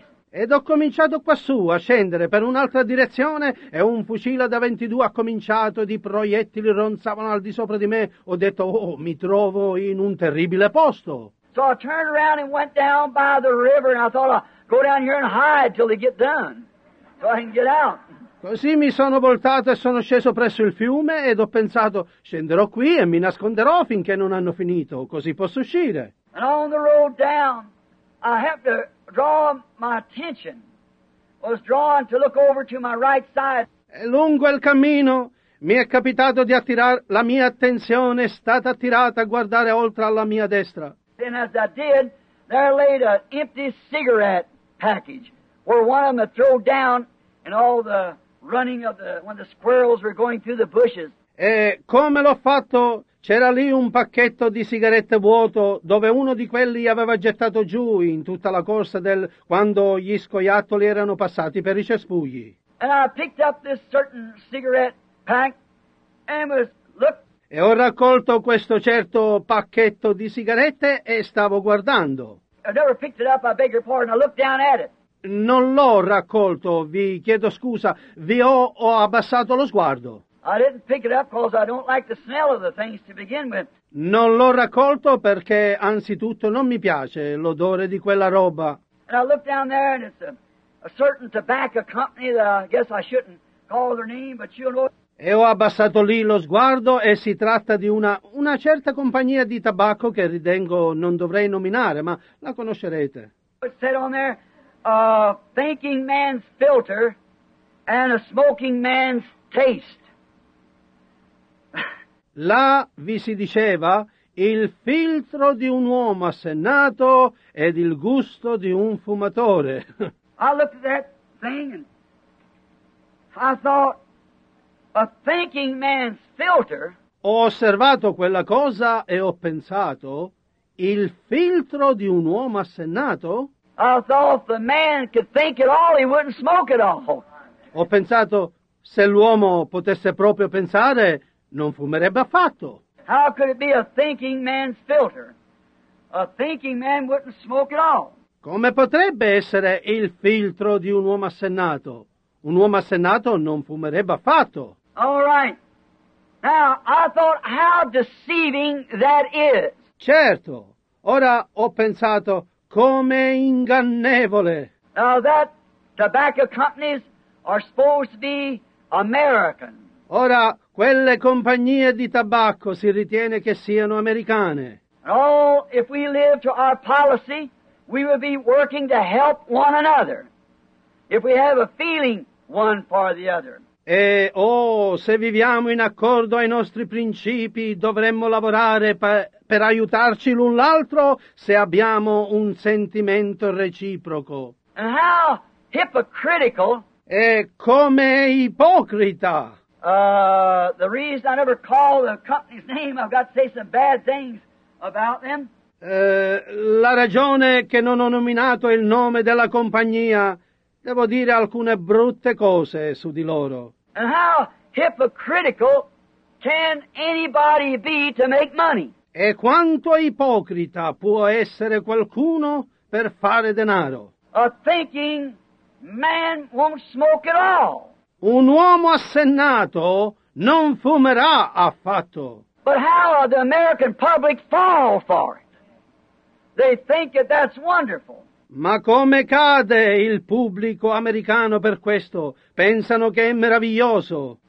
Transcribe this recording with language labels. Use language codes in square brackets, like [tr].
[it] Ed ho cominciato quassù a scendere per un'altra direzione e un fucile da 22 ha cominciato ed i proiettili ronzavano al di sopra di me. Ho detto, oh, mi trovo in un terribile posto. [en] So I turned around and went down by the river and I thought I'd go down here and hide till they get done so I can get out. [it] Così mi sono voltato e sono sceso presso il fiume ed ho pensato, scenderò qui e mi nasconderò finché non hanno finito, così posso uscire. [en] And on the road down, I have to draw my attention, was drawn to look over to my right side. [it] E lungo il cammino mi è capitato di attirare la mia attenzione, è stata attirata a guardare oltre alla mia destra. [en] And as I did, there laid an empty cigarette package where one of them had thrown down and all the running of the, when the squirrels were going through the bushes. [it] E come l'ho fatto? C'era lì un pacchetto di sigarette vuoto dove uno di quelli aveva gettato giù in tutta la corsa del quando gli scoiattoli erano passati per i cespugli. [en] And I picked up this certain cigarette pack and was looked. [it] E ho raccolto questo certo pacchetto di sigarette e stavo guardando. [en] I never picked it up, I beg your pardon, I looked down at it. [it] Non l'ho raccolto, vi chiedo scusa, ho abbassato lo sguardo. [en] I didn't pick it up because I don't like the smell of the things to begin with. [it] Non l'ho raccolto perché anzitutto non mi piace l'odore di quella roba. [en] And I looked down there and it's a certain tobacco company that I guess I shouldn't call their name, but you know. [it] E ho abbassato lì lo sguardo e si tratta di una certa compagnia di tabacco che ritengo non dovrei nominare, ma la conoscerete. [en] It said on there, a thinking man's filter and a smoking man's taste. [it] Là vi si diceva il filtro di un uomo assennato ed il gusto di un fumatore. [en] I looked at that thing and I thought a thinking man's filter. [it] Ho osservato quella cosa e ho pensato il filtro di un uomo assennato. [en] I thought the man could think it all, he wouldn't smoke it all. [it] Ho pensato se l'uomo potesse proprio pensare. Non fumerebbe affatto. [en] How could it be a thinking man's filter? A thinking man wouldn't smoke at all. [it] Come potrebbe essere il filtro di un uomo assennato? Un uomo assennato non fumerebbe affatto. [en] All right. Now, I thought how deceiving that is. [it] Certo. Ora ho pensato come ingannevole. [en] Now, that tobacco companies are supposed to be American. [it] Ora, quelle compagnie di tabacco si ritiene che siano americane. [en] Oh, if we live to our policy, we will be working to help one another. If we have a feeling one for the other. [it] E, oh, se viviamo in accordo ai nostri principi, dovremmo lavorare per aiutarci l'un l'altro se abbiamo un sentimento reciproco. [en] And how hypocritical. [it] E come ipocrita. [en] The reason I never call the company's name, I've got to say some bad things about them. [it] La ragione che non ho nominato il nome della compagnia, devo dire alcune brutte cose su di loro. [en] And how hypocritical can anybody be to make money? [it] E quanto ipocrita può essere qualcuno per fare denaro? [en] A thinking man won't smoke at all. [it] Un uomo assennato non fumerà affatto. [en] But how the American public fall for it? They think that that's wonderful. [it] Ma come cade il pubblico americano per questo? Pensano che è meraviglioso.